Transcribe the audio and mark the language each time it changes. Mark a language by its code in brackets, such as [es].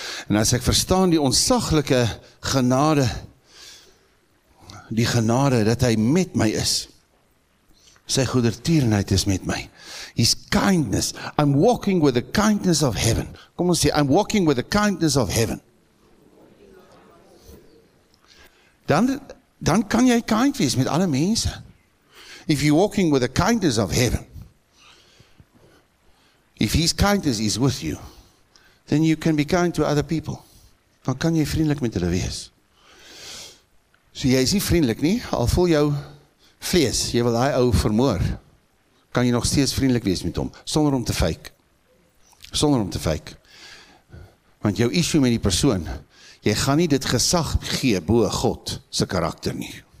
[af] En as ek verstaan die ontzaglike genade, die genade dat hy met my is, sy goedertierenheid is met my. [en] His kindness. I'm walking with the kindness of heaven. [af] Kom ons sê, [en] I'm walking with the kindness of heaven. Dan kan jy kind wees met alle mense. If you're walking with the kindness of heaven, if his kindness is with you, then you can be kind to other people. [af] Dan kan jy vriendelik met hulle wees. So jy is nie vriendelik nie, al voel jou vlees, jy wil hy ou vermoor, kan jy nog steeds vriendelik wees met hom, sonder om te fake. Sonder om te fake. Want jou issue met die persoon, jy gaan nie dit gesag gee bo God se karakter nie.